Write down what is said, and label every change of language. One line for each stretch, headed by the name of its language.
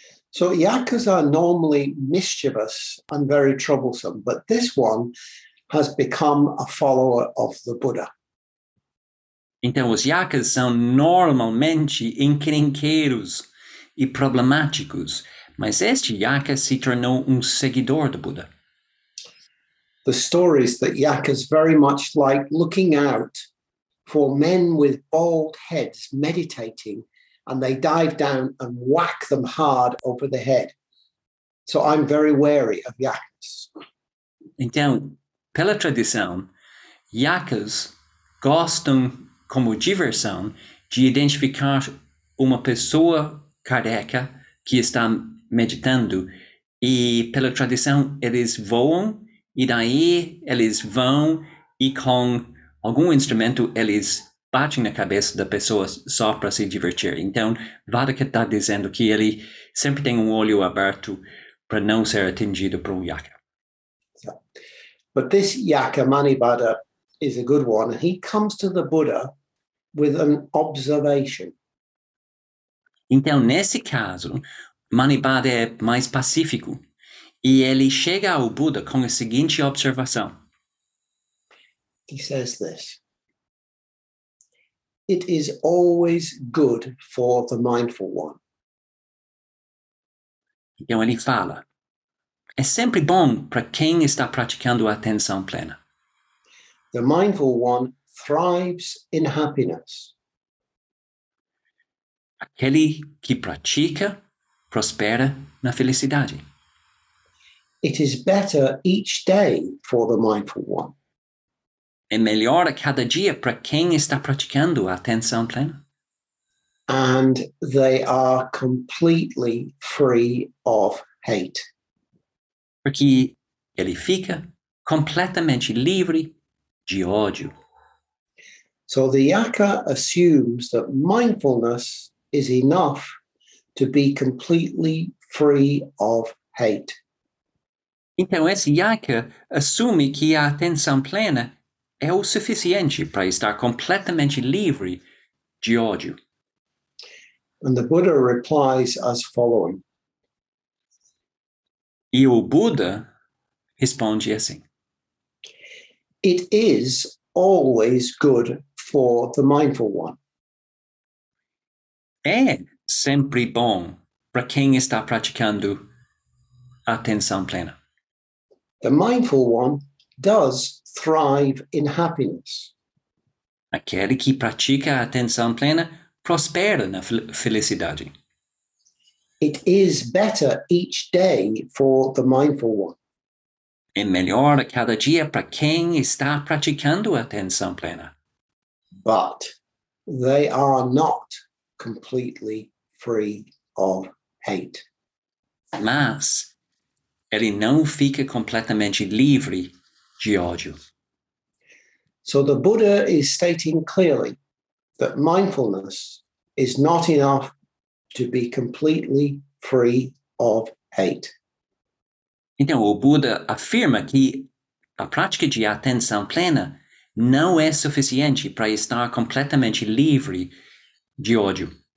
English: So, yakas are normally mischievous and very troublesome, but this one has become a follower of the Buddha.
Portuguese: Então, os yakas são normalmente encrenqueiros e problemáticos, mas este yaka se tornou seguidor do Buddha.
English: The stories that yakas very much like looking out for men with bald heads meditating, and they dive down and whack them hard over the head. So I'm very wary of yakas.
Portuguese: Então, pela tradição, yakas gostam como diversão de identificar uma pessoa careca que está meditando. E pela tradição, eles voam e daí eles vão e com algum instrumento eles batem na cabeça da pessoa só para se divertir. Então, Vadaka está dizendo que ele sempre tem olho aberto para não ser atingido por yaka.
English: Yeah. But this Yaka Manibhadra is a good one. He comes to the Buddha with an observation.
Portuguese: Então, nesse caso, Manibhadra é mais pacífico. E ele chega ao Buda com a seguinte observação.
English: He says this. It is always good for the mindful one.
Portuguese: Então ele fala, é sempre bom para quem está praticando a atenção plena.
English: The mindful one thrives in happiness.
Portuguese: Aquele que pratica prospera na felicidade.
English: It is better each day for the mindful one.
Portuguese: É melhor a cada dia para quem está praticando a atenção plena.
English: And they are completely free of hate.
Portuguese: Porque ele fica completamente livre de ódio.
English: So the Yaka assumes that mindfulness is enough to be completely free of hate.
Portuguese: Então esse Yaka assume que a atenção plena é o suficiente para estar completamente livre de ódio.
English: And the Buddha replies as following.
Portuguese: E o Buda responde assim.
English: It is always good for the mindful one.
Portuguese: É sempre bom para quem está praticando atenção plena.
English: The mindful one does thrive in happiness.
Portuguese: Aquele que pratica atenção plena prospera na felicidade.
English: It is better each day for the mindful one.
Portuguese: É melhor a cada dia para quem está praticando atenção plena.
English: But they are not completely free of hate.
Portuguese: Mas ele não fica completamente livre de ódio.
English: So the Buddha is stating clearly that mindfulness is not enough to be completely free of hate.
Portuguese: Então, o Buda afirma que a prática de atenção plena não é suficiente para estar completamente livre de ódio.